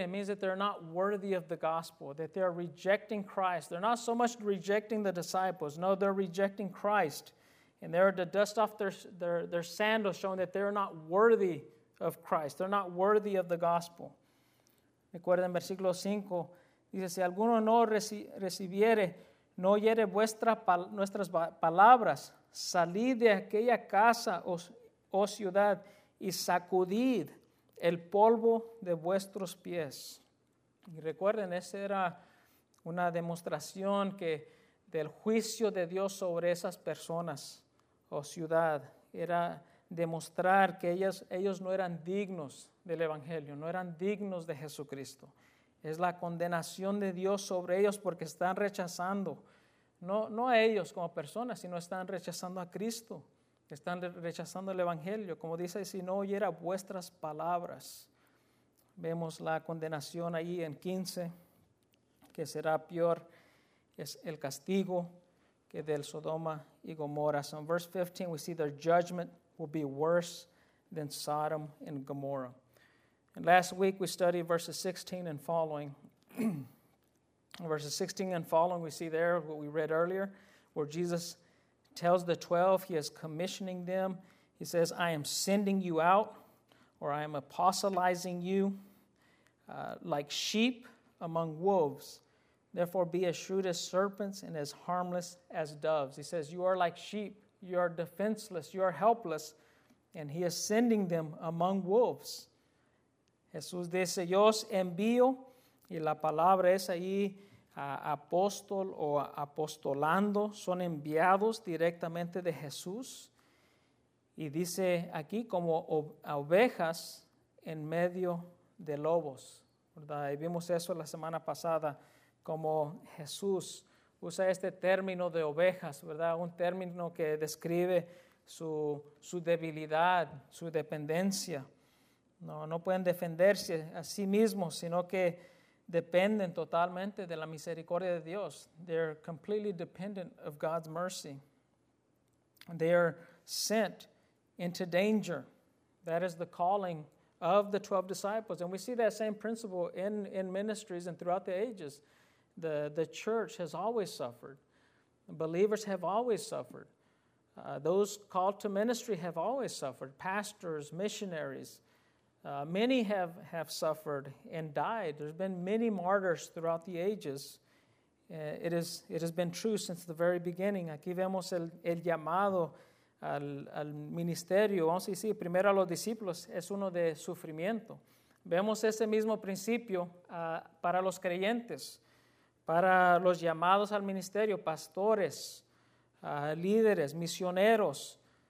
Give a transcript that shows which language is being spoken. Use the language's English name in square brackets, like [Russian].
[English] It means that they're not worthy of the gospel, that they're rejecting Christ. They're not so much rejecting the disciples. No, they're rejecting Christ. And they're to dust off their sandals, showing that they're not worthy of Christ. They're not worthy of the gospel. [Spanish] Recuerden, versículo 5, dice, si alguno no recibiere, no oyere nuestras palabras, salid de aquella casa o ciudad y sacudid el polvo de vuestros pies. Y recuerden, esa era una demostración que del juicio de Dios sobre esas personas o ciudad. Era demostrar que ellos no eran dignos del evangelio, no eran dignos de Jesucristo. Es la condenación de Dios sobre ellos porque están rechazando, no a ellos como personas, sino están rechazando a Cristo. Están rechazando el evangelio. Como dice, si no oyera vuestras palabras. Vemos la condenación ahí en 15. Que será peor. Es el castigo que del Sodoma y Gomorra. [English] So in verse 15 we see their judgment will be worse than Sodom and Gomorrah. And last week we studied verses 16 and following. Verses 16 and following we see there what we read earlier. Where Jesus tells the 12, he is commissioning them. He says, I am sending you out, or I am apostolizing you like sheep among wolves. Therefore, be as shrewd as serpents and as harmless as doves. He says, you are like sheep. You are defenseless. You are helpless. And he is sending them among wolves. [Spanish] Jesús dice, yo os envío. Y la palabra es ahí. Apóstol o apostolando son enviados directamente de Jesús y dice aquí como ovejas en medio de lobos, ¿verdad? Y vimos eso la semana pasada como Jesús usa este término de ovejas, ¿verdad? Un término que describe su debilidad, su dependencia. No pueden defenderse a sí mismos, sino que dependen totalmente de la misericordia de Dios. [English] They're completely dependent of God's mercy. They are sent into danger. That is the calling of the 12 disciples. And we see that same principle in ministries and throughout the ages. The church has always suffered. Believers have always suffered. Those called to ministry have always suffered. Pastors, missionaries. Many have suffered and died. There's been many martyrs throughout the ages. It has been true since the very beginning. [Spanish] Aquí vemos el llamado al ministerio. Vamos a decir, primero a los discípulos, es uno de sufrimiento. Vemos ese mismo principio para los creyentes, para los llamados al ministerio, pastores, líderes, misioneros.